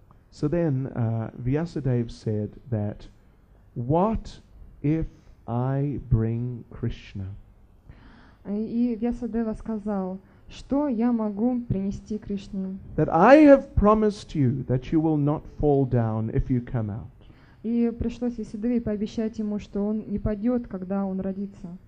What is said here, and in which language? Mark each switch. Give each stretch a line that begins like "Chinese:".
English: So then Vyasadev said that, what if I bring Krishna?
Russian: И Вьясадева сказал, что я могу принести Кришне.
English: That I have promised you that you will not fall down if you come out.
Russian: И пришлось Вьясадеве пообещать ему, что он не падет, когда он родится.